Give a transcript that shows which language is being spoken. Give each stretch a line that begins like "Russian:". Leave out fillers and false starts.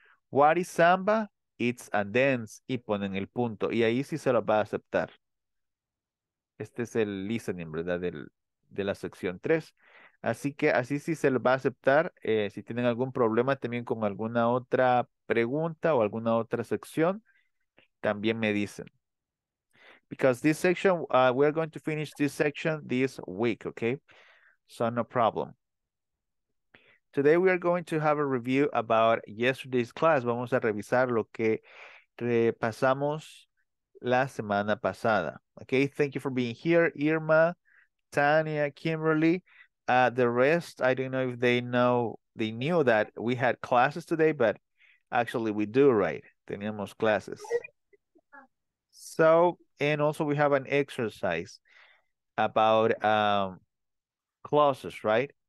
English: What is samba? It's a dance,
Spanish: y ponen el punto, y ahí sí se lo va a aceptar. Este es el listening, ¿verdad? De la sección 3. Así que así sí se lo va a aceptar. Si tienen algún problema también con alguna otra pregunta o alguna otra sección, también me dicen.
English: Because this section, we're going to finish this section this week, okay? So no problem. Today we are going to have a review about yesterday's class.
Spanish: Vamos a revisar lo que repasamos la semana pasada.
English: Okay, thank you for being here, Irma, Tania, Kimberly. The rest, I don't know if they know, they knew that we had classes today, but actually we do, right?
Spanish: Teníamos
English: classes. So, and also we have an exercise about clauses, right?